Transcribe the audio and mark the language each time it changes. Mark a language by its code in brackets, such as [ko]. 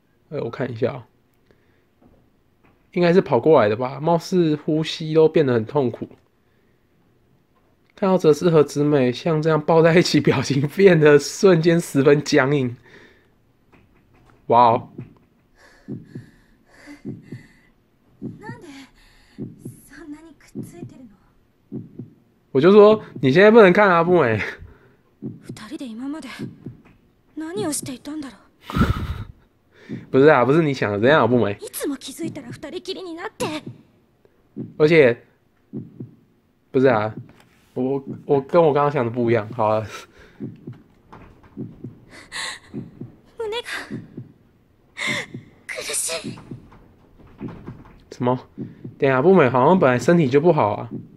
[zh] 我看一下，应该是跑过来的吧？貌似呼吸都变得很痛苦。看到折子和直美像这样抱在一起，表情变得瞬间十分僵硬。哇哦！ [ja] なんでそんなにくっついてるの？ [zh] 我就说你现在不能看啊，不美。 [ja] 二人で今まで何をしていたんだろう？ [zh] 不是啊，不是你想的这样、啊，不美。 [ja] いつも気づいたら二人きりになって。 [zh] 而且，不是啊。我跟我刚刚想的不一样，好啊。 [ja] 胸が苦しい。 [zh] 什么？等一下，不美好像本来身体就不好啊。